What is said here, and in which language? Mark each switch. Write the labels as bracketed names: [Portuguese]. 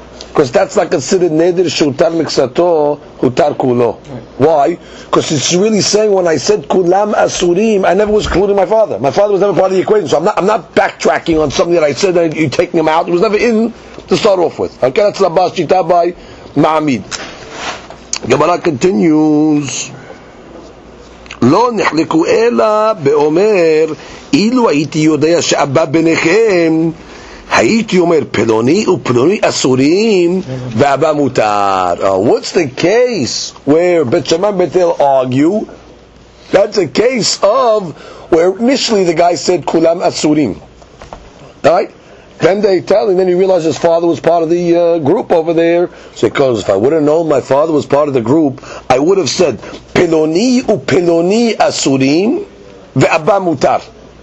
[English] Because that's not considered [Hebrew] neder shutar miksato hutar kulo. [English] Why? Because it's really saying when I said [Hebrew] kulam asurim, [English] I never was including my father. My father was never part of the equation. So I'm not backtracking on something that I said and you're taking him out. It was never in to start off with. Okay, that's Rabba's shita by ma'amid. Gemara continues. [Hebrew] לא נחלקו אלא באומר אילו הייתי יודע שאבא ביניכם הייתי אומר פלוני ופלוני אסורים ואבא מותר. [English] What's the case where בית שמאי ובית הלל argue? That's a case of where initially the guy said [Hebrew] כולם אסורים, [English] right? Then they tell him, then he realized his father was part of the group over there. So he goes, if I would have known my father was part of the group, I would have said, [Hebrew] Peloni u peloni asurim ve'abba mutar.